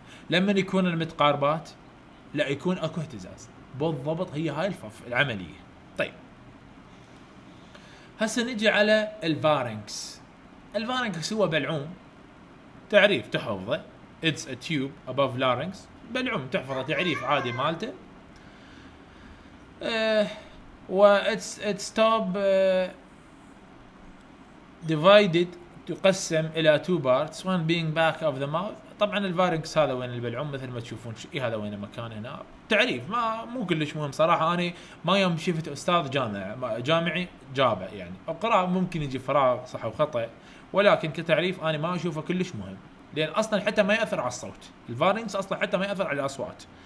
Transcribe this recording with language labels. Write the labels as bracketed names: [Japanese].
[Arabic] لما يكون المتقاربات لا يكون اكو اهتزاز بالضبط، هي هاي العملية. طيب هسه نجي على الفارنكس. الفارنكس هو بلعوم، تعريف تحفظه، [English] it's a tube above larynx، [Arabic] بلعوم تحفظه تعريف عادي مالته. [English] و it's top divided، [Arabic] تقسم الى [English] two parts، one being back of the mouth. [Arabic] طبعا الفارنكس هذا وين البلعوم مثل ما تشوفون، إيه هذا وين المكان هنا. تعريف ما مو كلش مهم صراحه، انا ما يوم شفت استاذ جامعي جابع يعني اقرا ممكن يجي فراغ صح وخطا، ولكن كتعريف انا ما اشوفه كلش مهم، لان اصلا حتى ما ياثر على الصوت الفارنكس، اصلا حتى ما ياثر على الاصوات.